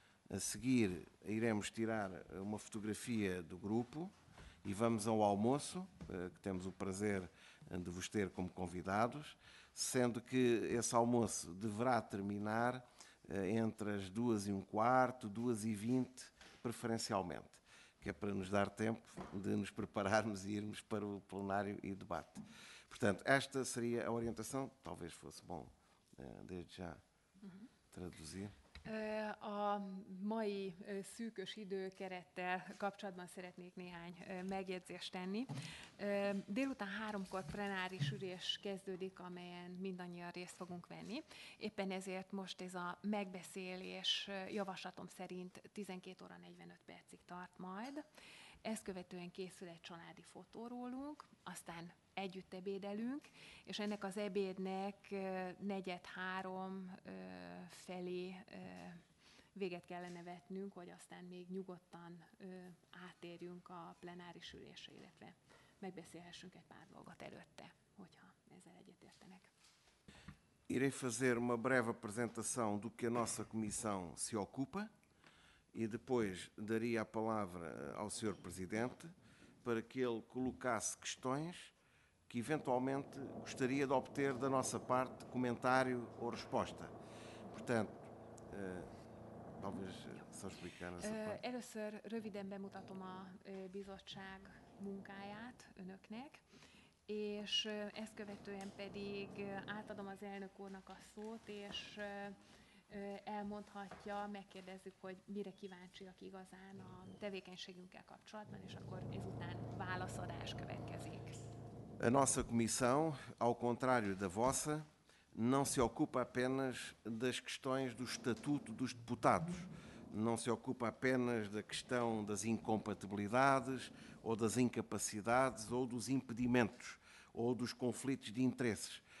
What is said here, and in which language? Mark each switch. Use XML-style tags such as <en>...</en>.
<pt>A seguir iremos tirar uma fotografia do grupo e vamos ao almoço, que temos o prazer de vos ter como convidados, sendo que esse almoço deverá terminar entre as 14:15, 14:20, preferencialmente, que é para nos dar tempo de nos prepararmos e irmos para o plenário e debate. Portanto, esta seria a orientação, talvez fosse bom, desde já, traduzir.</pt> <hu>A mai szűkös időkerettel kapcsolatban szeretnék néhány megjegyzést tenni. Délután 3-kor plenáris ülés kezdődik, amelyen mindannyian részt fogunk venni. Éppen ezért most ez a megbeszélés javaslatom szerint 12:45-ig tart majd. Ezt követően készül egy családi fotó rólunk, aztán együtt ebédelünk, és ennek az ebédnek 14:30 felé véget kellene vetnünk, hogy aztán még nyugodtan átérjünk a plenáris ülésre, illetve megbeszélhessünk egy pár dolgot előtte, hogyha ezzel egyetértenek.</hu> <pt>Irei fazer uma breve apresentação do que a nossa comissão se ocupa e depois daria a palavra ao Sr. Presidente para que ele colocasse questões que eventualmente gostaria de obter da nossa parte comentário ou resposta. Portanto, talvez só explicar nessa parte.</pt> <hu>Először röviden bemutatom a bizottság munkáját önöknek. És ezt követően pedig átadom az elnök úrnak a szót, és elmondhatja, megkérdezzük, hogy mire kíváncsiak igazán a tevékenységünkkel kapcsolatban, és akkor ezután válaszadás következik.</hu> <pt>A nossa comissão, ao contrário da vossa, não se ocupa apenas das questões do estatuto dos deputados. Não se ocupa apenas da questão das incompatibilidades ou das incapacidades ou dos impedimentos ou dos conflitos de interesses.</pt>